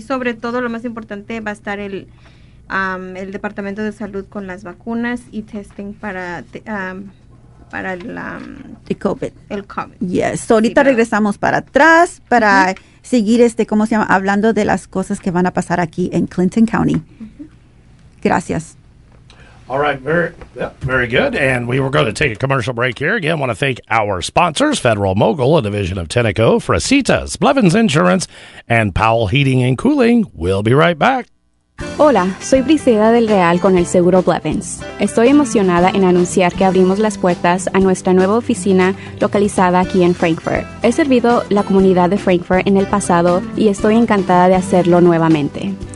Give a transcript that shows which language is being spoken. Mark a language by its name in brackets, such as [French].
[Spanish] Y sobre todo, lo más importante, va a estar el Departamento de Salud con las vacunas y testing para el COVID. [English] Yes. [Spanish] So ahorita regresamos para atrás para seguir ¿cómo se llama? Hablando de las cosas que van a pasar aquí en Clinton County. Gracias. [English] All right, very good. And we were going to take a commercial break here. Again, I want to thank our sponsors, Federal Mogul, a division of Tenneco, Fresitas, Blevins Insurance, and Powell Heating and Cooling. We'll be right back. [Spanish] Hola, soy Briseida del Real con el Seguro Blevins. Estoy emocionada en anunciar que abrimos las puertas a nuestra nueva oficina localizada aquí en Frankfurt. He servido la comunidad de Frankfurt en el pasado y estoy encantada de hacerlo nuevamente.